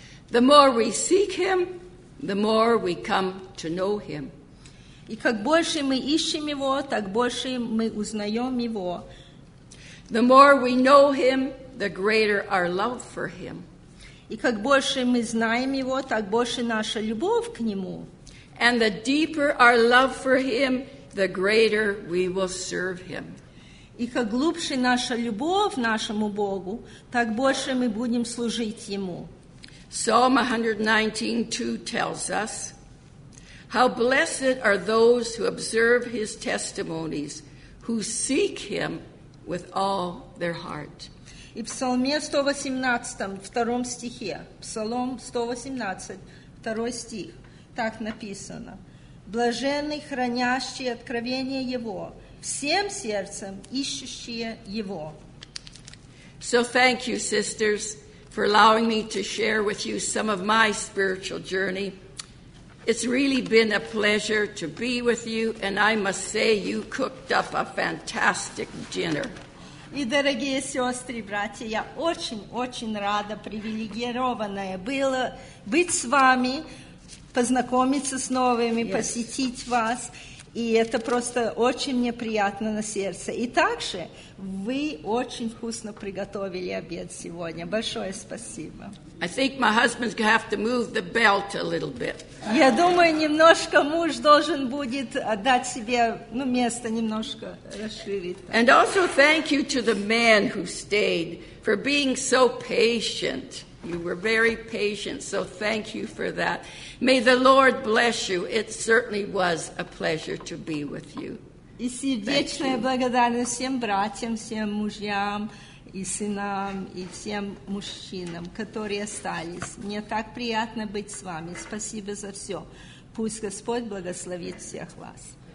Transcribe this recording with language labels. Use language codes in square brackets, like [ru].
[en] The more we seek Him, the more we come to know Him. [ru] И как больше мы ищем Его, так больше мы узнаем Его. [en] The more we know Him, the greater our love for Him. [ru] И как больше мы знаем Его, так больше наша любовь к Нему. [en] And the deeper our love for Him, the greater we will serve Him. [ru] И как глубже наша любовь нашему Богу, так больше мы будем служить Ему. [en] Psalm 119:2 tells us, How blessed are those who observe his testimonies, who seek him with all their heart. [ru] И в Псалме 118, втором стихе, Псалом 118, второй стих, так написано. Блаженны хранящие откровение его, всем сердцем ищущие его. [en] So thank you, sisters, for allowing me to share with you some of my spiritual journey. It's really been a pleasure to be with you, and I must say, you cooked up a fantastic dinner. [ru] И дорогие сестры, братья, я очень-очень рада, привилегированная была быть с вами, познакомиться с новыми, yes. посетить вас, и это просто очень мне приятно на сердце. И также вы очень вкусно приготовили обед сегодня. Большое спасибо. [en] I think my husband's going to have to move the belt a little bit. [ru] Я думаю, немножко муж должен будет отдать себе, ну, место немножко расширить. [en] And also thank you to the man who stayed for being so patient. You were very patient, so thank you for that. May the Lord bless you. It certainly was a pleasure to be with you. [ru] И сердечная благодарность всем братьям, всем мужьям. И сынам, и всем мужчинам, которые остались. Мне так приятно быть с вами. Спасибо за все. Пусть Господь благословит всех вас.